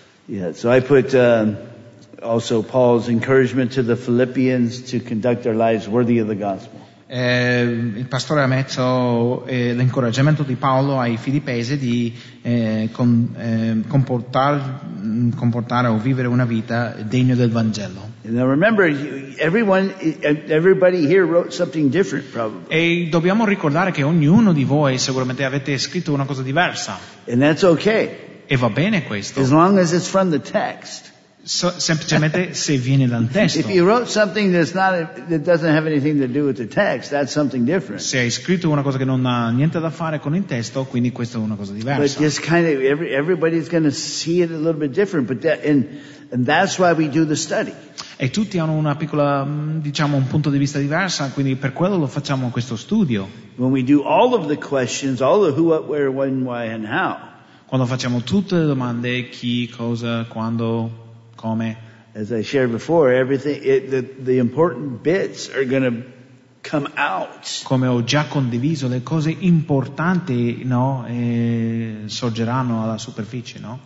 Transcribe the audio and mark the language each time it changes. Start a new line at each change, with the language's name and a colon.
English: Yeah, so I put also Paul's encouragement to the Philippians to conduct their lives worthy of the gospel.
Italian: Il pastore ha messo l'incoraggiamento di Paolo ai filippesi di comportare o vivere una vita degna del Vangelo.
English: Now remember, everybody here wrote something different, probably.
Italian: E dobbiamo ricordare che ognuno di voi sicuramente avete scritto una cosa diversa.
English: And that's okay.
Italian: E va bene questo.
English: As long as it's from the text.
Italian: Semplicemente se viene dal testo.
English: If you wrote something that's not, that doesn't have anything to do with the text, that's something different.
Italian: Se hai scritto una cosa che non ha niente da fare con il testo, quindi questa è una cosa diversa.
English: But just kind of everybody's going to see it a little bit different, but and that's why we do the study.
Italian: E tutti hanno una piccola, diciamo, un punto di vista diversa, quindi per quello lo facciamo questo studio.
English: When we do all of the questions, all the who, what, where, when, why, and how.
Italian: Quando facciamo tutte le domande, chi, cosa, quando.
English: As I shared before, everything the important bits are going to come out.
Italian: Come ho già condiviso, le cose importanti, no, sorgeranno alla superficie, no?